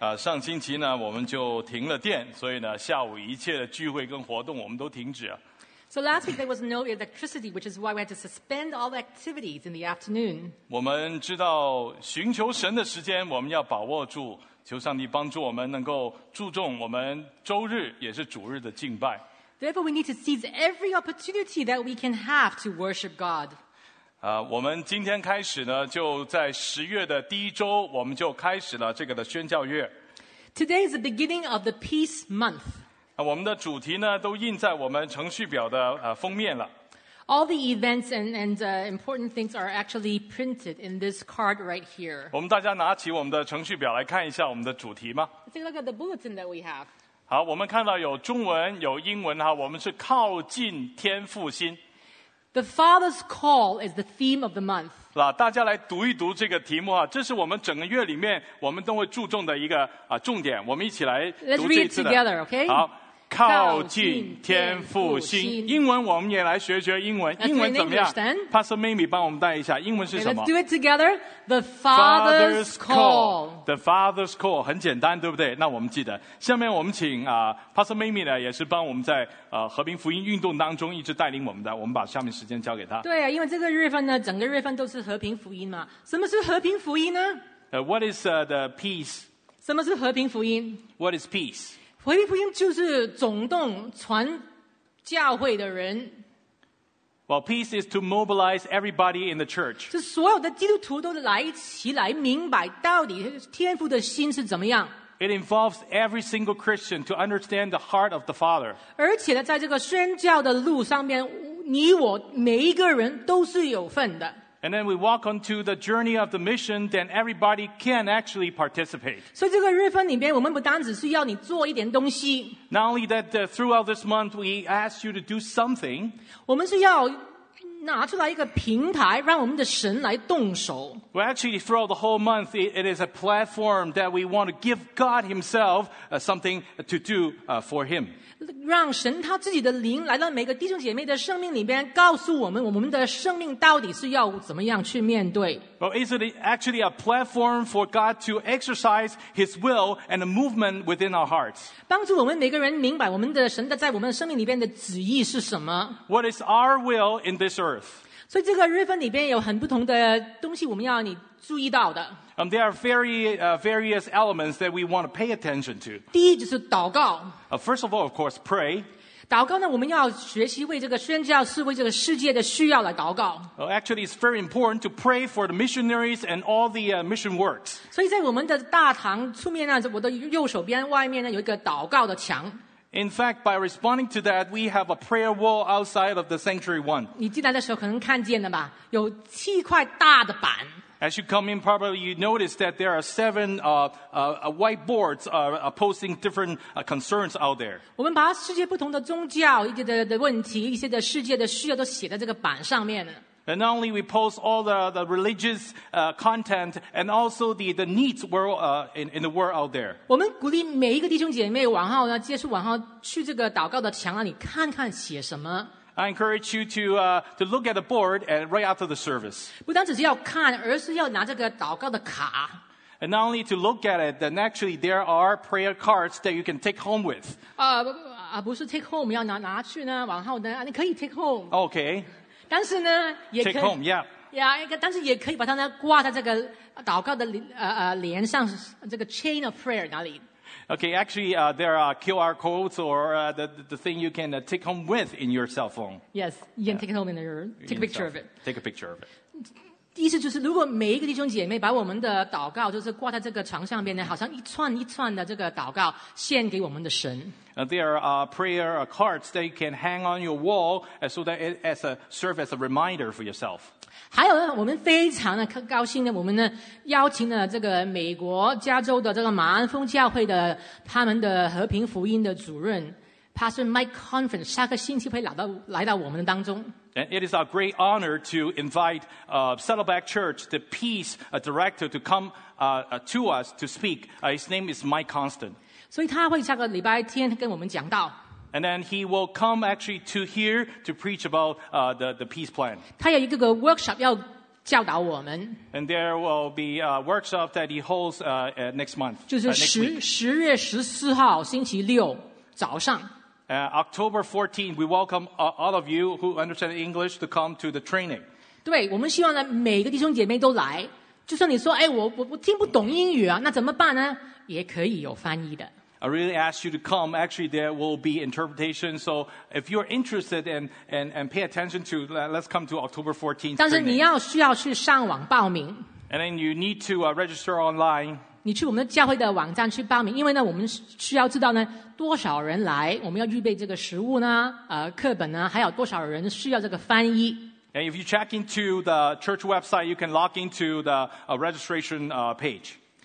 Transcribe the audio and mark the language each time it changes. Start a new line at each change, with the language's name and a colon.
Chinese: 上星期呢，我们就停了电，所以呢，下午一切的聚会跟活动我们都停止了。
English: So last week there was no electricity, which is why we had to suspend all activities in the afternoon.
Chinese: 我们知道寻求神的时间，我们要把握住，求上帝帮助我们能够注重我们周日也是主日的敬拜。
English: Therefore, we need to seize every opportunity that we can have to worship God.
Chinese: 我们今天开始呢，就在十月的第一周，我们就开始了这个的宣教月。
English: Today is the beginning of the Peace Month.
Chinese: 我们的主题呢，都印在我们程序表的封面了。
English: All the events and important things are actually printed in this card right here.
Chinese: 我们大家拿起我们的程序表来看一下我们的主题吗
English: ？Take a look at the bulletin that we have.
Chinese: 好，我们看到有中文，有英文哈，我们是靠近天父心。
English: The Father's call is the theme of the month.
Chinese: 大家来读一读这个题目啊，这是我们整个月里面我们都会注重的一个重点。我们一起来读这一次的。
English: Let's read together, okay?
Chinese: 好，靠近天父心。英文我们也来学学英文。英文怎么样 ？Pastor Mimi 帮我们带一下，英文是什么
English: ？Let's do it together. The Father's call. The Father's call
Chinese: 很简单，对不对？那我们记得。下面我们请Pastor Mimi 呢，也是帮我们在和平福音运动当中一直带领我们的。我们把下面时间交给他。对啊，因为这个月份呢，整个月份都是和平福音嘛。什么是和平福音呢
English: ？What is the peace？
Chinese: 什么是和平福音
English: ？What is peace？
Chinese: 和平福音就是总动传教会的人。
English: Well, peace is to mobilize everybody in the church.
Chinese: 是所有的基督徒都来一起来明白到底天父的心是怎么样。
English: It involves every single Christian to understand the heart of the Father.
Chinese: 而且呢，在这个宣教的路上面，你我每一个人都是有份的。
English: And then we walk onto the journey of the mission, then everybody can actually participate.
Chinese: So, 这个月份里面，我们不单只是要你做一点东西。
English: Not only that, throughout this month, we ask you to do something.
Chinese: 我们是要拿出来一个平台，让我们的神来动手。
English: Well, actually, throughout the whole month, it is a platform that we want to give God Himself something to do for Him.
Chinese: 让神他自己的灵来到每个弟兄姐妹的生命里边，告诉我们我们的生命到底是要怎么样去面对。
English: Well, is it actually a platform for God to exercise His will and a movement within our hearts?
Chinese: 帮助我们每个人明白我们的神的在我们生命里边的旨意是什么。
English: What is our will in this?
Chinese: 所以这个日分里边有很不同的东西我们要你注意到的。
English: There are very, various elements that we want to pay attention to.
Chinese: 第一就是祷告。
English: First of all, of course, pray.
Chinese: 祷告呢我们要学习为这个宣教士为这个世界的需要来祷告。
English: Actually, it's very important to pray for the missionaries and all the mission works.
Chinese: 所以在我们的大堂出面呢我的右手边外面呢有一个祷告的墙。
English: In fact, by responding to that, we have a prayer wall outside of the sanctuary one.
Chinese: 你进来的时候可能看见了吧，有七块大的板。
English: As you come in, probably you notice that there are seven white boards posting different concerns out there.
Chinese: 我们把世界不同的宗教一些的问题，一些的世界的需要都写在这个板上面了。
English: And not only we post all the religious content and also the needs world in the world out there.
Chinese: 我们鼓励每一个弟兄姐妹往后呢，接触往后去这个祷告的墙那里看看写什么。
English: I encourage you to look at the board and right after the service.
Chinese: 不单只是要看，而是要拿这个祷告的卡。
English: And not only to look at it, then actually there are prayer cards that you can take home with.
Chinese: 不是
English: take home，
Chinese: 要拿去呢，往后呢，你可以
English: take home. Okay.
Chinese: 但是呢，也可以
English: Take home, yeah.
Chinese: Yeah, 但是也可以把它呢挂在这个祷告的连上这个
English: chain of prayer
Chinese: 哪里
English: ？Okay, actually, there are QR codes or the thing you can take home with in your cell phone. Yes, you can take it home in your take a picture of it. Take a picture of it.
Chinese: 意思就是，如果每一个弟兄姐妹把我们的祷告就是挂在这个墙上面呢，好像一串一串的这个祷告献给我们的神。
English: There are prayer cards that you can hang on your wall so that it as a serve as a reminder for yourself.
Chinese: 还有呢，我们非常的高兴呢，我们呢邀请了这个美国加州的这个马鞍峰教会的他们的和平福音的主任 Pastor Mike Conference， 下个星期会来到我们的当中。
English: And it is our great honor to invite Saddleback Church, the Peace Director, to come to us to speak. His name is Mike Constant.
Chinese: 所以他会下个礼拜天跟我们讲道。
English: And then he will come actually to here to preach about the peace plan.
Chinese: 他有一个 workshop 要教导我们。
English: And there will be a workshop that he holds next month.
Chinese: 就是10月14号星期六早上。
English: October 14th, we welcome all of you who understand English to come to the training.
Chinese: 对，我们希望呢每个弟兄姐妹都来。就算你说，哎，我听不懂英语啊，那怎么办呢？也可以有翻译的。
English: I really ask you to come. Actually, there will be interpretation. So if you're interested and pay attention to, let's come to October 14th.
Chinese: 但是你要需要去上网报名。
English: And then you need to register online.
Chinese: 你去我们的教会的网站去报名，因为呢，我们需要知道呢多少人来，我们要预备这个食物呢，课本呢，还有多少人需要这个翻译。
English: And if you check into the church website, you can log into the registration page.